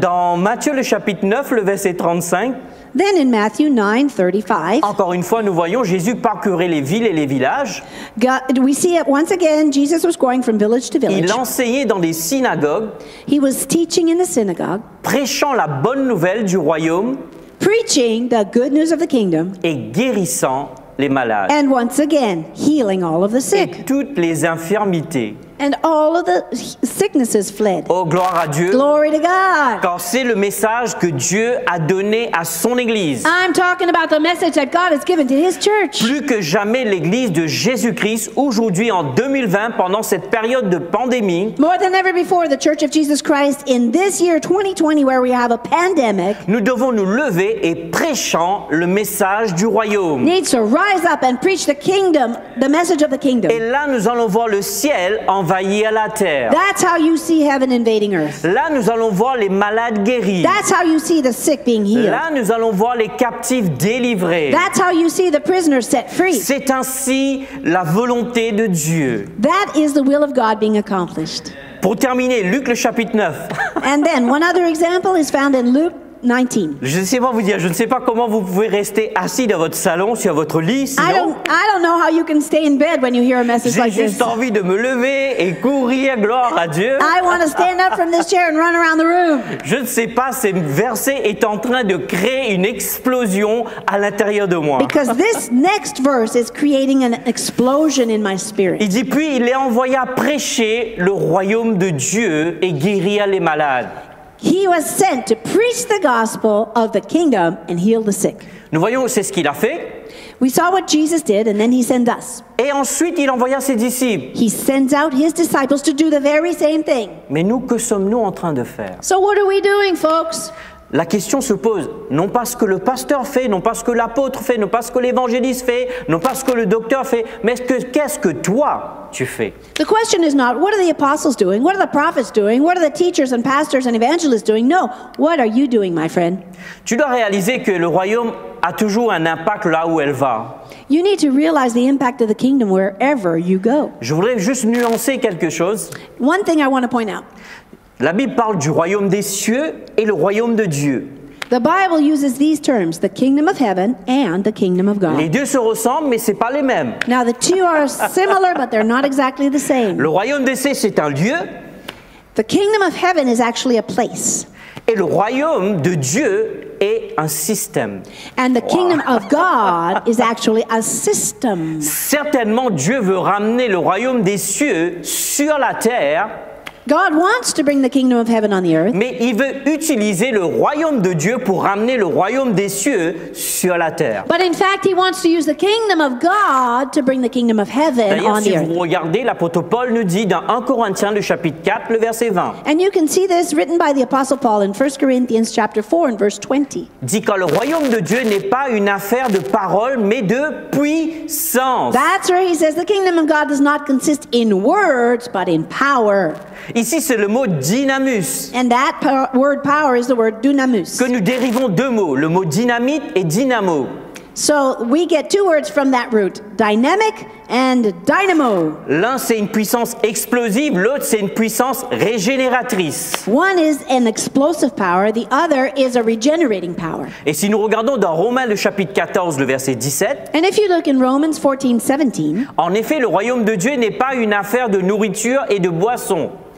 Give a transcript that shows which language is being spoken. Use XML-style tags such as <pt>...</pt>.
<fr>Dans Matthieu le chapitre 9, le verset 35.</fr> <en>Then in Matthew 9, 35.</en> <fr>Encore une fois, nous voyons Jésus parcourir les villes et les villages.</fr> <en>God, we see it once again, Jesus was going from village to village.</en> <fr>Il enseignait dans les synagogues.</fr> <en>He was teaching in the synagogue.</en> <fr>Prêchant la bonne nouvelle du royaume.</fr> <en>Preaching the good news of the kingdom.</en> <fr>Et guérissant les malades.</fr> <en>And once again, healing all of the sick.</en> <fr>Et toutes les infirmités.</fr> <en>And all of the sicknesses fled.</en> <fr>Oh, gloire à Dieu.</fr> <en>Glory to God.</en> <fr>Car c'est le message que Dieu a donné à son église.</fr> <en>I'm talking about the message that God has given to his church.</en> <fr>Plus que jamais l'église de Jésus-Christ aujourd'hui en 2020 pendant cette période de pandémie.</fr> <en>More than ever before, the church of Jesus Christ in this year 2020 where we have a pandemic.</en> <fr>Nous devons nous lever et prêchant le message du royaume.</fr> <en>Needs to rise up and preach the kingdom, the message of the kingdom.</en> <fr>Et là nous allons voir le ciel envahir la terre.</fr> <en>That's how you see heaven invading earth.</en> <fr>Là, nous allons voir les malades guéris.</fr> <en>That's how you see the sick being healed.</en> <fr>Là, nous allons voir les captifs délivrés.</fr> <en>That's how you see the prisoners set free.</en> <fr>C'est ainsi la volonté de Dieu.</fr> <en>That is the will of God being accomplished.</en> <fr>Pour terminer, Luc le chapitre 9.</fr> <en>And then, one other example is found in Luke 19.</en> <fr>Je ne sais pas vous dire, je ne sais pas comment vous pouvez rester assis dans votre salon sur votre lit. Sinon,</fr> <en>I don't know how you can stay in bed when you hear a message like this.</en> <fr>J'ai juste envie de me lever et courir, gloire à Dieu.</fr> <en>I want to stand up from this chair and run around the room.</en> <fr>Je ne sais pas, ce verset est en train de créer une explosion à l'intérieur de moi.</fr> <en>Because this next verse is creating an explosion in my spirit.</en> <fr>Il dit puis il les envoya prêcher le royaume de Dieu et guérir les malades.</fr> <en>He was sent to preach the gospel of the kingdom and heal the sick.</en> <fr>Nous voyons, c'est ce qu'il a fait.</fr> <en>We saw what Jesus did, and then he sent us.</en> <fr>Et ensuite, il envoya ses disciples.</fr> <en>He sends out his disciples to do the very same thing.</en> <fr>Mais nous, que sommes-nous en train de faire?</fr> <en>So what are we doing, folks?</en> <fr>La question se pose, non pas ce que le pasteur fait, non pas ce que l'apôtre fait, non pas ce que l'évangéliste fait, non pas ce que le docteur fait, mais qu'est-ce que toi tu fais?</fr> <en>The question is not, what are the apostles doing? What are the prophets doing? What are the teachers and pastors and evangelists doing? No, what are you doing, my friend?</en> <fr>Tu dois réaliser que le royaume a toujours un impact là où elle va.</fr> <en>You need to realize the impact of the kingdom wherever you go.</en> <fr>Je voudrais juste nuancer quelque chose.</fr> <en>One thing I want to point out.</en> <fr>La Bible parle du royaume des cieux et le royaume de Dieu.</fr> <en>The Bible uses these terms, the kingdom of heaven and the kingdom of God.</en> <fr>Les deux se ressemblent, mais c'est pas les mêmes.</fr> <en>Now the two are similar, but they're not exactly the same.</en> <fr>Le royaume des cieux, c'est un lieu.</fr> <en>The kingdom of heaven is actually a place.</en> <fr>Et le royaume de Dieu est un système.</fr> <en>And the kingdom of God is actually a system.</en> <fr>Certainement, Dieu veut ramener le royaume des cieux sur la terre.</fr> <en>God wants to bring the kingdom of heaven on the earth.</en> <fr>Mais il veut utiliser le royaume de Dieu pour ramener le royaume des cieux sur la terre.</fr> <en>But in fact, he wants to use the kingdom of God to bring the kingdom of heaven on the earth.</en> <fr>Si vous regardez, l'apôtre Paul nous dit dans 1 Corinthiens le chapitre 4, le verset 20.</fr> <en>And you can see this written by the apostle Paul in 1 Corinthians chapter 4 and verse 20.</en> <fr>Dit que le royaume de Dieu n'est pas une affaire de parole, mais de puissance.</fr> <en>That's where he says the kingdom of God does not consist in words, but in power.</en> <fr>Ici, c'est le mot dynamus.</fr> <en>And that word power is the word dynamus.</en> <fr>Que nous dérivons deux mots, le mot dynamite et dynamo.</fr> <en>So we get two words from that root, dynamic and dynamo.</en> <fr>L'un, c'est une puissance explosive, l'autre, c'est une puissance régénératrice.</fr> <en>One is an explosive power, the other is a regenerating power.</en> <fr>Et si nous regardons dans Romains, le chapitre 14, le verset 17,</fr> <en>and if you look in Romans 14, 17,</en> <fr>en effet, le royaume de Dieu n'est pas une affaire de nourriture et de boisson.</fr>